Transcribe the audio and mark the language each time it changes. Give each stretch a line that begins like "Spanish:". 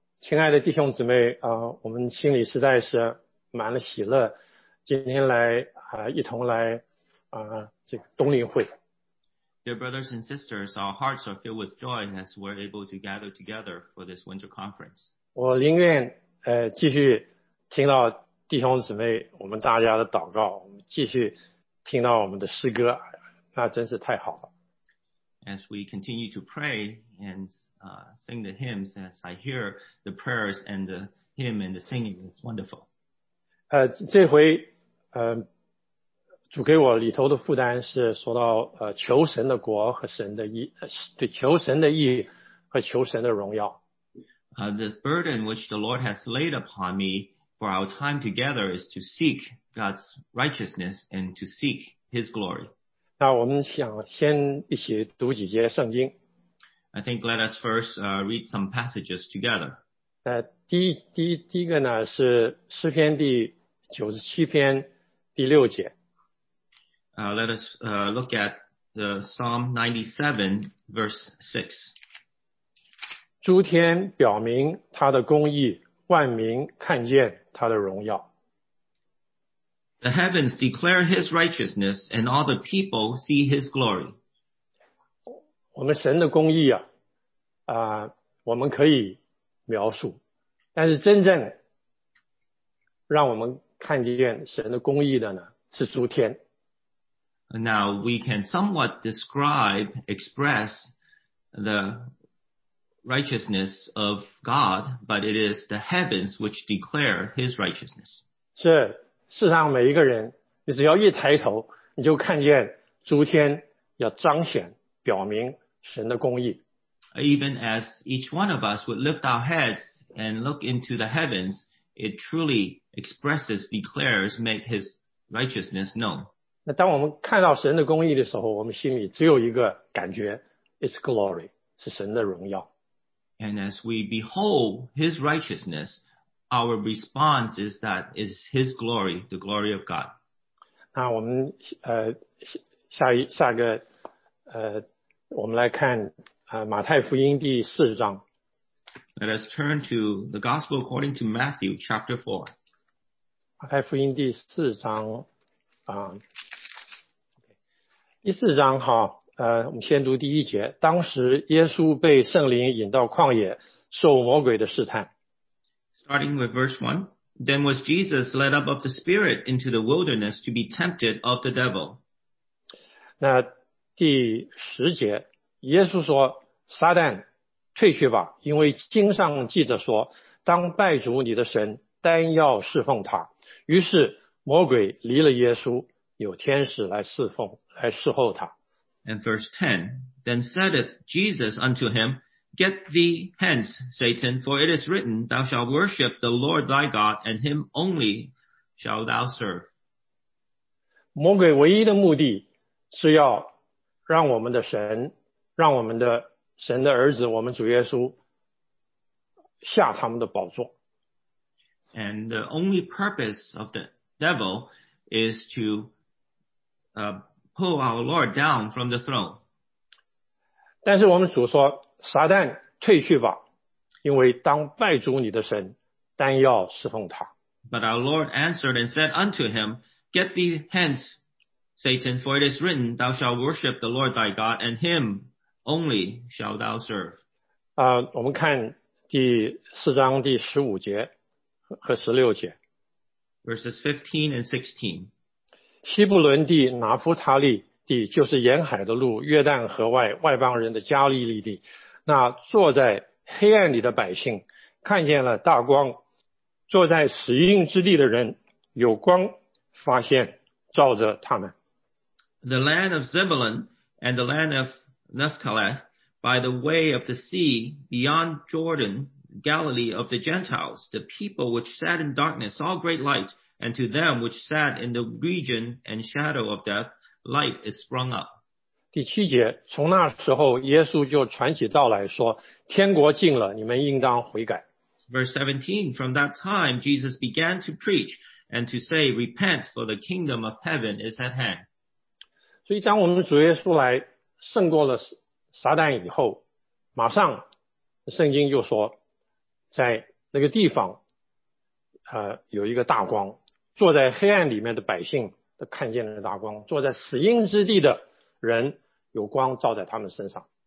Chinese: 亲爱的弟兄姊妹，我们心里实在是满了喜乐，今天来一同来这个冬令会。
English: Dear brothers and sisters, our hearts are filled with joy as we're able to gather together for this winter conference.
Chinese: 我宁愿继续听到弟兄姊妹我们大家的祷告，我们继续听到我们的诗歌，那真是太好了。
English: As we continue to pray and sing the hymns, as I hear the prayers and the hymn and the singing, it's wonderful.
Chinese: 这回主给我里头的负担是说到求神的国和神的义，对求神的义和求神的荣耀。
English: The burden which the Lord has laid upon me for our time together is to seek God's righteousness and to seek His glory.
Chinese: 那我们想先一起读几节圣经。
English: I think let us first read some passages together.
Chinese: 第一个呢是诗篇第97篇第六节。
English: Let us look at the Psalm 97, verse 6.
Chinese: 诸天表明他的公义，万民看见他的荣耀。
English: The heavens declare his righteousness, and all the people see his glory.
Chinese: 我们神的公义我们可以描述，但是真正让我们看见神的公义的呢，是诸天。
English: Now we can somewhat describe, express the righteousness of God, but it is the heavens which declare His righteousness.
Chinese: 是，世上每一个人，你只要一抬头，你就看见诸天要彰显、表明神的公义。
English: Even as each one of us would lift our heads and look into the heavens, it truly expresses, declares, make His righteousness known.
Chinese: 那当我们看到神的公义的时候，我们心里只有一个感觉 ，
English: It's glory，
Chinese: 是神的荣耀。
English: And as we behold His righteousness, our response is that is His glory, the glory of God.
Chinese: 那我们下一个我们来看马太福音第四章。
English: Let us turn to the Gospel according to Matthew chapter 4.
Chinese: 马太福音第四章第四章哈，我们先读第一节。当时耶稣被圣灵引到旷野，受魔鬼的试探。
English: Starting with verse 1, then was Jesus led up of the Spirit into the wilderness to be tempted of the devil.
Chinese: 那第十节，耶稣说：“撒旦，退去吧，因为经上记着说，当拜主你的神，单要侍奉他。” 于是魔鬼离了耶稣，有天使来侍奉。
English: And verse 10, then saith Jesus unto him, Get thee hence, Satan, for it is written, Thou shalt worship the Lord thy God, and him only shalt thou serve.
Chinese: 魔鬼唯一的目的是要让我们的神，让我们的神的儿子，我们主耶稣下他们的宝座。
English: And the only purpose of the devil is to pull our Lord down from the throne.
Chinese: 但是我们主说，撒旦退去吧，因为当拜主你的神，单要侍奉他。
English: But our Lord answered and said unto him, Get thee hence, Satan, for it is written, Thou shalt worship the Lord thy God, and him only shalt thou serve.
Chinese: 我们看第四章第十五节和十六节。
English: Verses 15 and 16.
Chinese: 西布伦地、拿弗他利地，就是沿海的路，约旦河外外邦人的加利利地。那坐在黑暗里的百姓看见了大光，坐在死荫之地的人有光发现照着他们。
English: The land of Zebulun and the land of Naphtali, by the way of the sea beyond Jordan, Galilee of the Gentiles, the people which sat in darkness saw great light. And to them which sat in the region and shadow of death, light is sprung up.
Chinese: 第七节，从那时候，耶稣就传起道来说，天国近了，你们应当悔改。
English: Verse 17, from that time, Jesus began to preach and to say, repent, for the kingdom of heaven is at hand.
Chinese: 所以当我们主耶稣来胜过了撒旦以后，马上圣经就说，在那个地方有一个大光，坐在黑暗里面的百姓都看见了大光，坐在死荫之地的人有光照在他们身上。